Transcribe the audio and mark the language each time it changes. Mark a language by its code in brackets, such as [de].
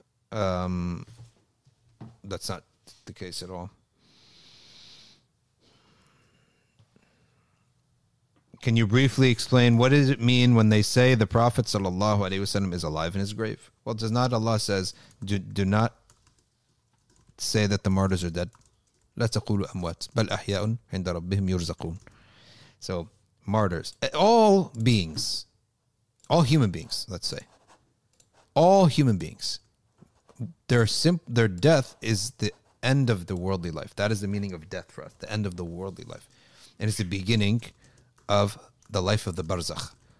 [en] That's not the case at all. Can you briefly explain what does it mean when they say the Prophet sallallahu alaihi wasallam is alive in his grave? Well, does not Allah says do not say that the martyrs are dead? [ar] لا تقولوا أموات بل أحياء عند ربهم يرزقون. [en] So martyrs, all beings, all human beings, let's say, all human beings, their death is the end of the worldly life. That is the meaning of death for us, the end of the worldly life, and it's the beginning of the life of the barzakh.